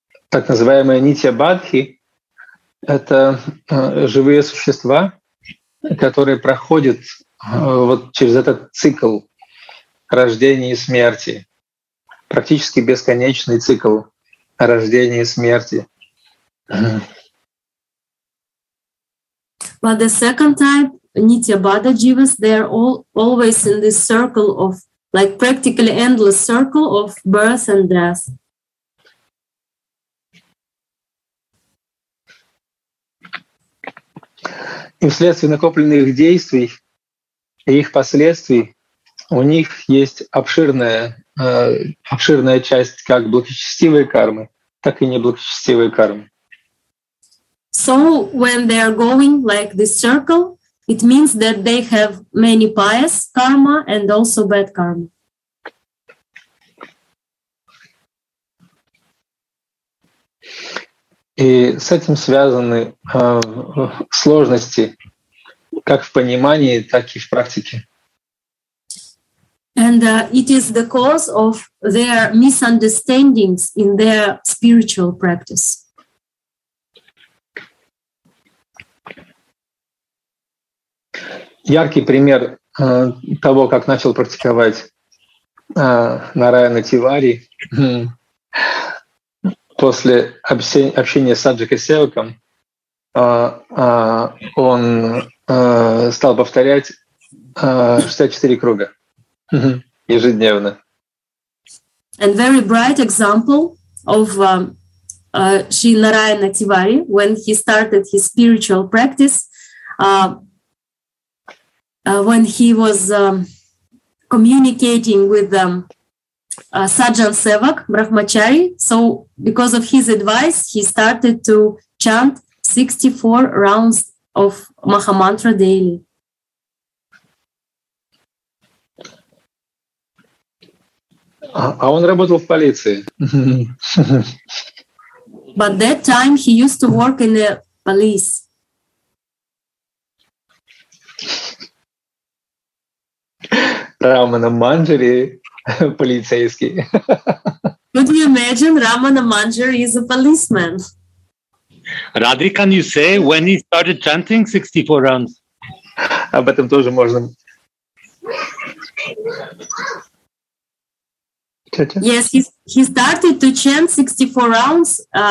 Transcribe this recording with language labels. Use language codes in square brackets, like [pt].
[ru] Так называемые нитья-бадхи — это живые существа, которые проходят вот через этот цикл рождения и смерти, практически бесконечный цикл рождения и смерти. [en] But the second type, nitya-bada jivas, they are always in this circle of, like practically endless circle of birth and death. [ru] И вследствие накопленных действий и их последствий у них есть обширная часть как благочестивой кармы, так и неблагочестивой кармы. [en] So when they are going like this circle, it means that they have many pious karma and also bad karma. [ru] И И с этим связаны сложности как в понимании, так и в практике. [en] And it is the cause of their misunderstandings in their spiritual practice. [ru] Яркий пример того, как начал практиковать Нараяна Тивари после общения с Саджикой Севаком, он стал повторять 64 круга ежедневно. [en] And very bright example of Sri Narayana Tiwari, when he started his spiritual practice, when he was communicating with Саджан Севак, Брахмачари, so because of his advice, he started to chant 64 rounds of Mahamantra daily. [ru] А он работал в полиции. [en] But that time he used to work in the police. [ru] Рамана Манджари полицейский. [en] Could you imagine Рамана Манджари is a policeman? Radhi, can you say when he started chanting 64 rounds? [ru] Об этом тоже можно. [en] Yes, he started to chant 64 rounds